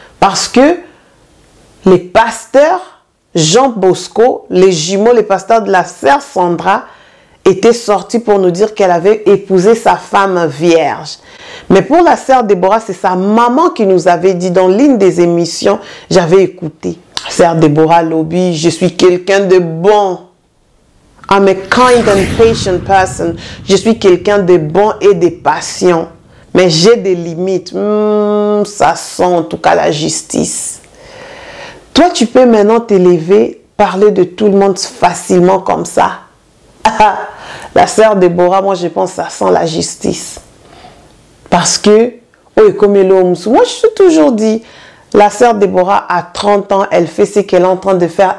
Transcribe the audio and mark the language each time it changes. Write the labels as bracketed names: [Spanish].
[French] Parce que les pasteurs Jean Bosco, les jumeaux, les pasteurs de la sœur Sandra étaient sortis pour nous dire qu'elle avait épousé sa femme vierge. Mais pour la sœur Déborah, c'est sa maman qui nous avait dit dans l'une des émissions, j'avais écouté. Sœur Déborah Lobby, je suis quelqu'un de bon. [English] I'm a kind and patient person. [French] Je suis quelqu'un de bon et de patient. Mais j'ai des limites. Ça sent en tout cas la justice. Toi, tu peux maintenant t'élever, parler de tout le monde facilement comme ça. La sœur Déborah, moi, je pense que ça sent la justice. Parce que, moi, je suis toujours dit, la sœur Déborah a 30 ans, elle fait ce qu'elle est en train de faire.